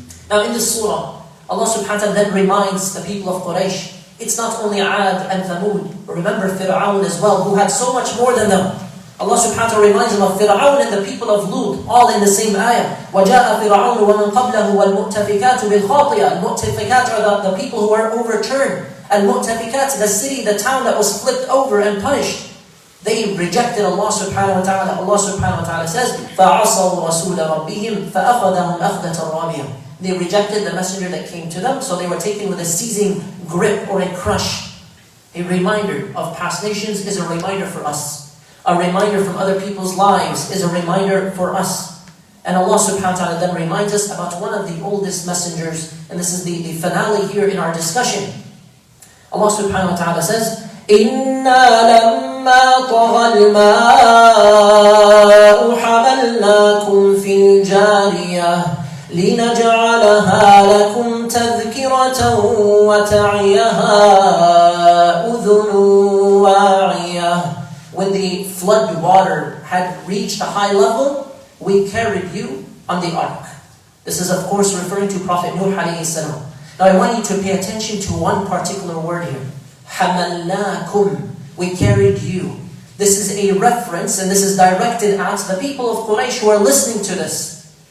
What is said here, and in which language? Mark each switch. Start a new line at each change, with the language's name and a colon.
English: Now in this surah, Allah subhanahu wa ta'ala then reminds the people of Quraysh, it's not only Ad and Thamud, remember Fir'aun as well, who had so much more than them. Allah subhanahu wa ta'ala reminds them of Fir'aun and the people of Lut, all in the same ayah.
Arabic: وَجَاءَ فِرْعَوْنُ وَمَنْ قَبْلَهُ وَالْمُؤْتَفِكَاتُ بِالْخَاطِئَةِ.
English: Al-Mu'tafikat are the people who are overturned. Al-Mu'tafikat, the city, the town that was flipped over and punished. They rejected Allah subhanahu wa ta'ala. Allah subhanahu wa ta'ala says,
Arabic: فَعَصَوْا رَسُولَ رَبِّهِمْ فَأَخَذَهُمْ أَخْذَةَ رَابِيَةً.
English: They rejected the messenger that came to them, so they were taken with a seizing grip or a crush. A reminder of past nations is a reminder for us. A reminder from other people's lives is a reminder for us. And Allah subhanahu wa ta'ala then reminds us about one of the oldest messengers. And this is the finale here in our discussion. Allah subhanahu wa ta'ala says,
Arabic: إِنَّا لَمَّا طَغَى الْمَاءُ حَمَلْنَاكُمْ فِي الْجَارِيَةِ لِنَجْعَلَهَا لَكُمْ تَذْكِرَةً وَتَعِيَهَا أُذُنُ وَاعِيَةِ.
English: When the flood water had reached a high level, we carried you on the ark. This is of course referring to Prophet Nuh alayhi salam. Now I want you to pay attention to one particular word here. حَمَلْنَاكُمْ. We carried you. This is a reference and this is directed at the people of Quraysh who are listening to this.